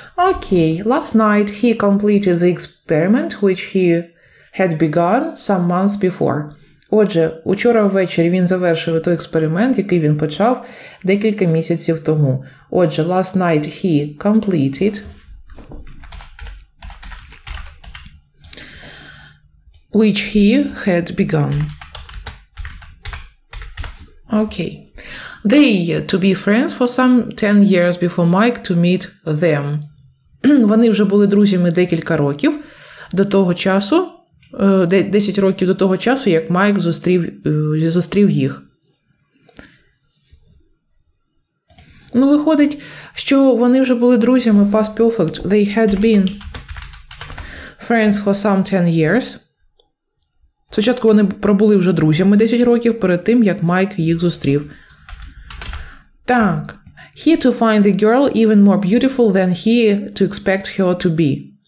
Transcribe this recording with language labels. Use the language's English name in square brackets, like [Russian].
[English] Okay, last night he completed the experiment which he had begun some months before. [Ukrainian] Отже, учора ввечері він завершив той експеримент, який він почав декілька місяців тому. [English] Отже, last night he completed which he had begun. Okay. They to be friends for some 10 years before Mike to meet them. [Ukrainian] Вони вже були друзями декілька років до того часу, 10 років до того часу, як Майк зустрів їх. Ну, виходить, що вони вже були друзями past perfect. [English] They had been friends for some 10 years. [Ukrainian] Спочатку вони пробули вже друзями 10 років перед тим, як Майк їх зустрів. Так. [English] He to find the girl even more beautiful than he to expect her to be.